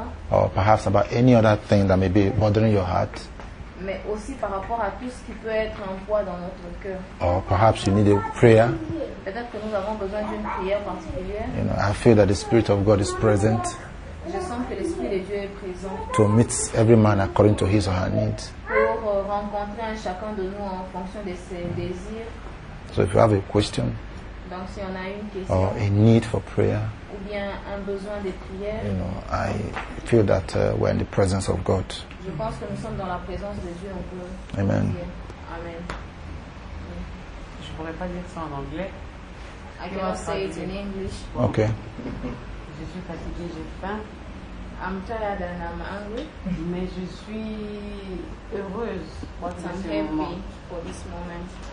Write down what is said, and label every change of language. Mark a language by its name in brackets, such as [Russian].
[English] Or perhaps about any other thing that may be bothering your heart. [French] Mais aussi par rapport à tout ce qui peut être en poids dans notre cœur. [English] Or perhaps you need a prayer. [French] Peut-être que nous avons besoin d'une prière particulière. [English] You know, I feel that the Spirit of God is present. [French] Je sens que l'Esprit de Dieu est présent. [English] To meet every man according to his or her needs. [French] Pour rencontrer chacun de nous en fonction de ses désirs. [English] So if you have a question. [French] Donc si on a une question. [English] Or a need for prayer. [French] Ou bien un besoin de prière. [English] You know, I feel that we're in the presence of God. [French] Je pense que nous sommes dans la présence de Dieu. Amen. Amen. Je pourrais pas dire ça en anglais. [English] I cannot say it in English. Okay. [French] Je suis fatiguée, j'ai faim. [English] I'm tired and I'm hungry. [French] Mais je suis heureuse pour ce moment. [English] What's happening for this moment?